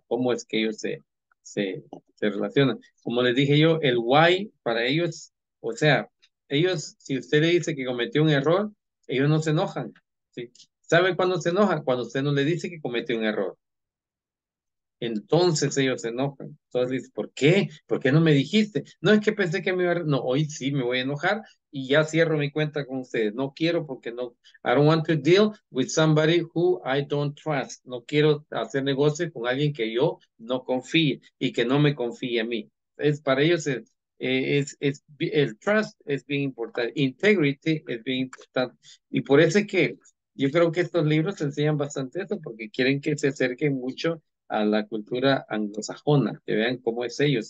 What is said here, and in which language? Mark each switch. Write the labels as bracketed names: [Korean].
[Spanish] Cómo es que ellos se relacionan. Como les dije yo, el why para ellos, o sea, ellos, si usted le dice que cometió un error, ellos no se enojan, ¿sí? ¿Sabe cuándo se enojan? Cuando usted no le dice que cometió un error. Entonces ellos se enojan. Entonces dice, ¿por qué? ¿Por qué no me dijiste? No es que pensé que me iba a... No, hoy sí me voy a enojar y ya cierro mi cuenta con ustedes. No quiero porque no... [English] I don't want to deal with somebody who I don't trust. [Spanish] No quiero hacer negocio con alguien que yo no confíe y que no me confíe a mí. Es para ellos el trust es bien importante. Integrity es bien importante. Y por eso es que yo creo que estos libros enseñan bastante eso porque quieren que se acerquen mucho a la cultura anglosajona, que vean cómo es ellos.